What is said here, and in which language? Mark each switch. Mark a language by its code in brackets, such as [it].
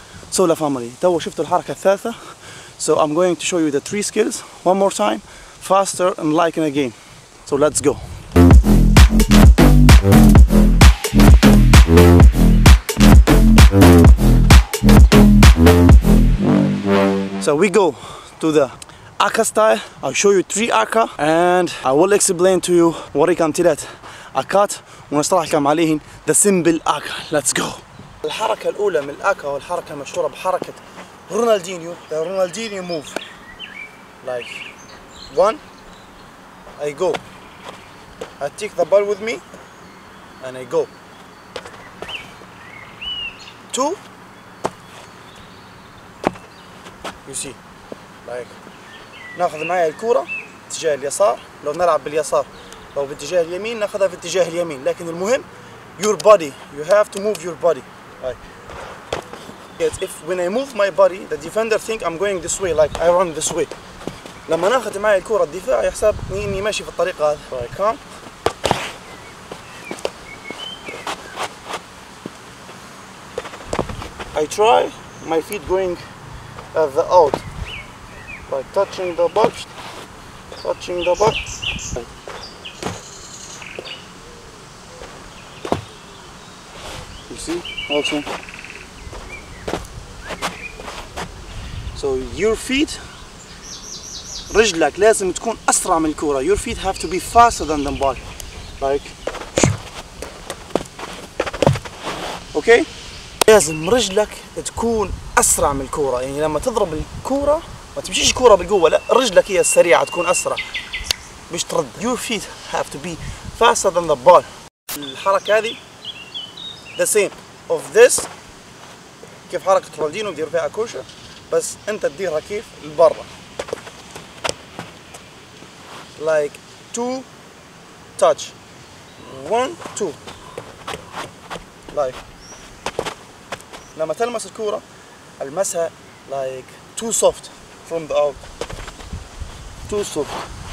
[en] So la family, [ar] توا شفت الحركة الثالثة. [en] So I'm going to show you the three skills one more time, faster and like in a game. So let's go. So we go to the Aka style. I'll show you three Aka and I will explain to you what I can tell it. Akat, [ar] ونشرح لكم عليهن [en] the simple Aka. Let's go. [ar] الحركة الأولى من الأكا والحركة المشهورة بحركة رونالدينيو. [en] The Ronaldinho move. Like one, I go. I take the ball with me and I go. Two. You see, like, [ar] ناخذ معايا الكرة اتجاه اليسار. لو نلعب باليسار أو باتجاه اليمين ناخذها في اتجاه اليمين. لكن المهم, [en] your body, you have to move your body. Like, if when I move my body, the defender think I'm going this way, like I run this way. [ar] لما ناخذ معايا الكرة الدفاع يحسب إني ماشي في الطريقة هذه. [en] So I come. I try my feet going at the out by touching the box. You see, also. So your feet, [ar] رجلك لازم تكون أسرع من الكرة. [en] Your feet have to be faster than the ball. Like, okay. [ar] لازم رجلك تكون أسرع من الكرة. يعني لما تضرب الكرة ما تمشيش الكرة بالقوة, لا, رجلك هي السريعة تكون أسرع مش ترد. [en] Your feet have to be faster than the ball. [ar] الحركة هذه [en] the same of this, [ar] كيف حركة رونالدينو بدير فيها كوشة, بس أنت تديرها كيف لبرا. [en] Like two touch, one two, like [ar] لما تلمس الكرة المسها [en] like too soft from the out, too soft.